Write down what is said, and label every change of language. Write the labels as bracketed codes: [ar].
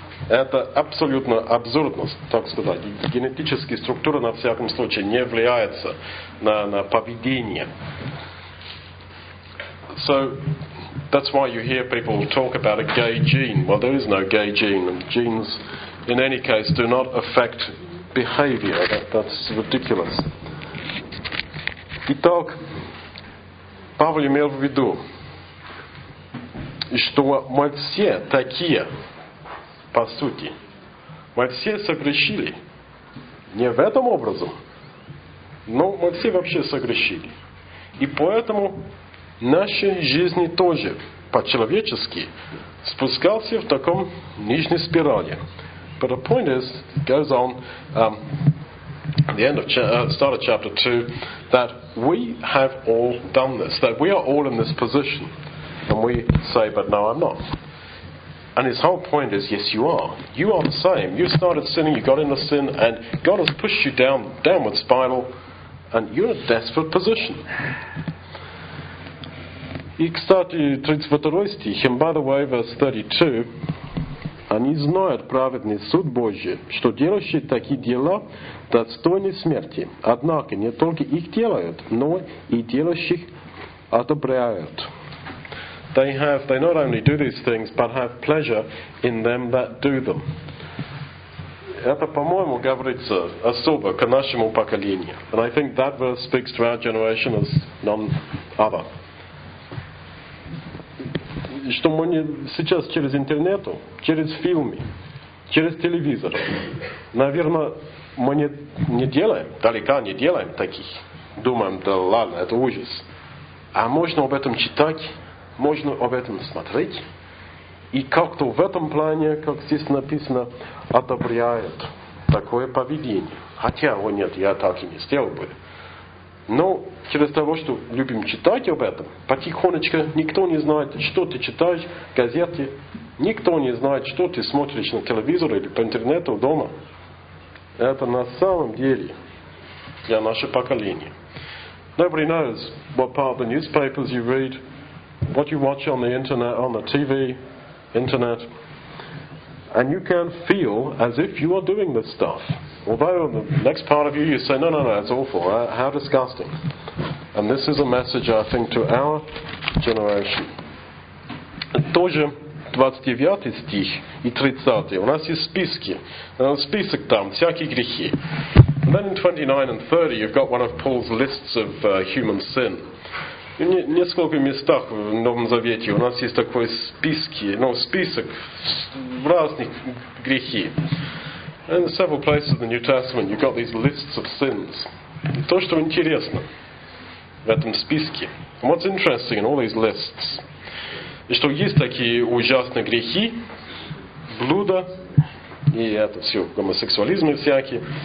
[ru] Это абсолютно абсурдность, так сказать. Генетические структуры, на всяком случае, не влияются на поведение. [en] So, that's why you hear people talk about a gay gene. Well, there is no gay gene. And genes, in any case, do not affect behavior. That's ridiculous. [ru] Итак, Павел имел в виду, что мы все такие, по сути. Мы все согрешили. Не в этом образом, но мы все вообще согрешили. И поэтому наши жизни тоже по-человечески спускался в таком нижней спирали. [en] But the point is, it goes on at the end of start of chapter 2, that we have all done this, that we are all in this position. And we say, but no, I'm not. And his whole point is, yes, you are. You are the same. You started sinning, you got into sin, and God has pushed you down downward spiral, and you're in a desperate position. [ru] И, кстати, 32 стих, [en] and by the way, verse 32, [ru] они знают праведный суд Божий, что делающие такие дела достойны смерти. Однако не только их делают, но и делающих одобряют. [en] They not only do these things, but have pleasure in them that do them. [ru] Это, по-моему, говорится особо к нашему поколению. [en] And I think that verse speaks to our generation as none other. [ru] Что мы сейчас через интернет, через фильмы, через телевизор, наверное, мы не делаем, далеко не делаем таких. Думаем, да ладно, это ужас. А можно об этом читать? Можно об этом смотреть, и как-то в этом плане, как здесь написано, одобряет такое поведение. Хотя, о нет, я так и не сделал бы. Но через того, что любим читать об этом, потихонечку никто не знает, что ты читаешь в газете, никто не знает, что ты смотришь на телевизор или по интернету дома. Это на самом деле для нашего поколения. [en] Nobody knows what part of the newspapers you read. What you watch on the internet, on the TV, internet, and you can feel as if you are doing this stuff. Although the next part of you, you say, no, it's awful, how disgusting. And this is a message, I think, to our generation. [ru] Тоже 29 стих и 30. У нас есть списки. Список там, всякие грехи. [en] And then in 29 and 30, you've got one of Paul's lists of human sin. [ru] В нескольких местах в Новом Завете у нас есть такой список разных грехи. [en] In several places in the New Testament you've got these lists of sins. [ru] То, что интересно в этом списке. [en] And what's interesting in all these lists, [ru] что есть такие ужасные грехи, блуда, и это все, гомосексуализм и всякие.